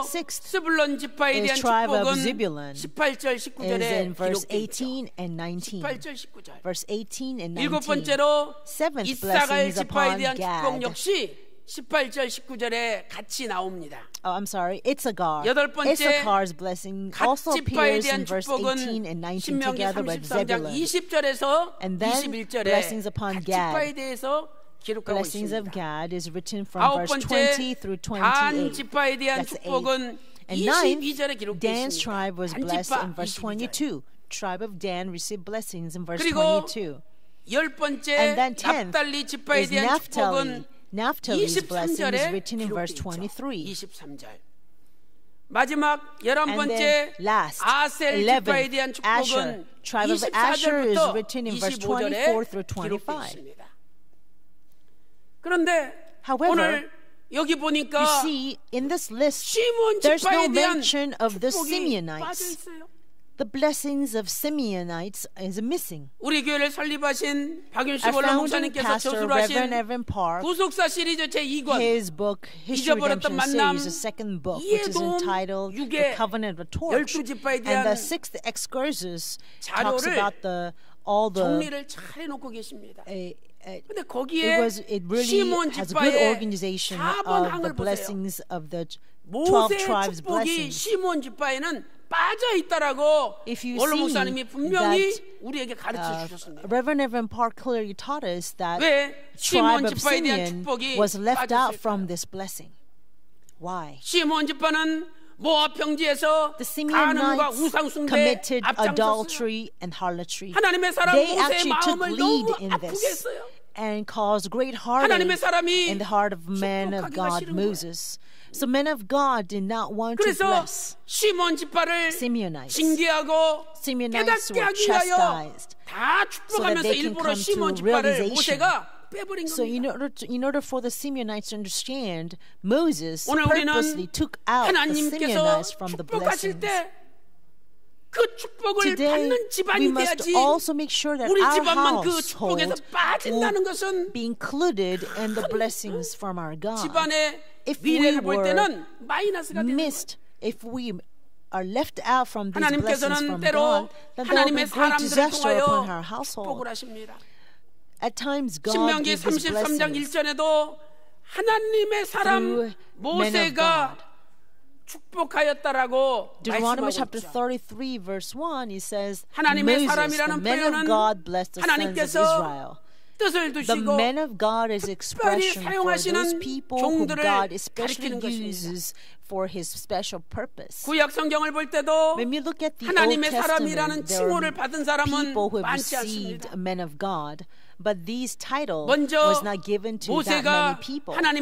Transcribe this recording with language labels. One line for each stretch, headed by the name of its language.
English: Sixth,
Korean: 스불론 지파에 대한
English: tribe
Korean: 축복은
English: of Zebulun,
Korean: 18절 19절에
English: verse 18 and 19.
Korean: 18절 19절.
English: Verse 18 and 19.
Korean: 일곱 번째로
English: Seventh
Korean: 이사갈 지파에 대한
English: Gad.
Korean: 축복 역시 18절 19절에 같이 나옵니다.
English: Oh, I'm sorry. Issachar.
Korean: 여덟 번째
English: Issachar's blessing also appears in verse 18 and 19 together with Zebulun.
Korean: 20절에서
English: and then
Korean: 21절에
English: blessings upon Gad.
Korean: 지파에 대해서
English: Blessings of God is written from verse 20 through 28. That's 8. And 9, Dan's tribe was blessed in verse 22. Tribe of Dan received blessings in verse 22. And then 10th is Naphtali. Naphtali's blessing is written in verse 23.
Korean: 마지막 열한 번째 아셀 지파에 대한 축복은
English: tribe of Asher is written in verse 24 through 25.
Korean: 그런데
English: However,
Korean: 오늘 여기 보니까
English: you see, in this list,
Korean: 시므온
English: there's no mention of the Simeonites. The blessings of Simeonites is missing.
Korean: 우리 교회를 설립하신 박윤식 원로목사님께서 저술하신 구속사 시리즈 제2권
English: His book, History of Redemption Series, the second book, which is entitled The Covenant of the Torch, and the sixth excursus talks about the all the
Korean: 정리를 잘 해놓고 계십니다.
English: It really has a good organization of the blessings of the 12 tribes' blessings. If you see that Reverend Evan Park clearly taught us that the tribe of Simeon was left out from this blessing. Why? The Simeonites committed adultery and harlotry. They actually took lead in this. And caused great heartache in the heart of man of God, Moses. So men of God did not want to bless Simeonites. Simeonites were chastised
Korean: 다 축복하면서 일부러 시몬 집파를 모세가
English: So in order for the Simeonites to understand, Moses purposely took out the Simeonites from the blessings. Today, we must also make sure that our household will be included in the blessings from our God. If we were missed, if we are left out from these blessings from God, then there will be great disaster upon our household. At times, God gives blessings.
Korean: 신명기 33장 1절에도 하나님의 사람 모세가 축복하였다라고
English: Deuteronomy chapter 33, verse 1, he says, Moses, the man of God blessed the sons of Israel. The man of God is expression for those people whom God especially uses for His special purpose. When we look at the Old Testament, there are people who have received a man of God, but these titles was not given to that many people.